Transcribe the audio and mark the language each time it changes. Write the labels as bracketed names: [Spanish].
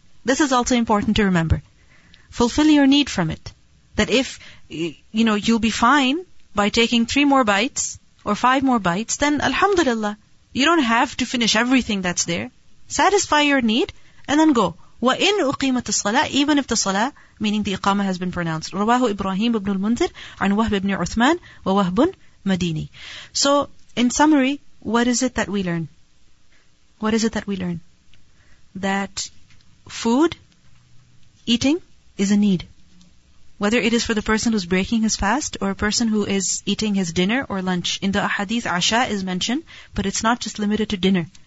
[English] This is also important to remember. Fulfill your need from it. That if, you know, you'll be fine by taking 3 more bites or 5 more bites, then alhamdulillah. You don't have to finish everything that's there. Satisfy your need and then go. [Arabic] وَإِنْ أُقِيمَتِ الصَّلَاةِ [English] Even if the salah, meaning the iqama has been pronounced. [Arabic] رواه إبراهيم بن المنذر عن وهب بن عثمان ووهب مديني. [English] So, in summary, what is it that we learn? What is it that we learn? That food, eating, is a need. Whether it is for the person who's breaking his fast or a person who is eating his dinner or lunch. In the ahadith, Asha is mentioned, but it's not just limited to dinner.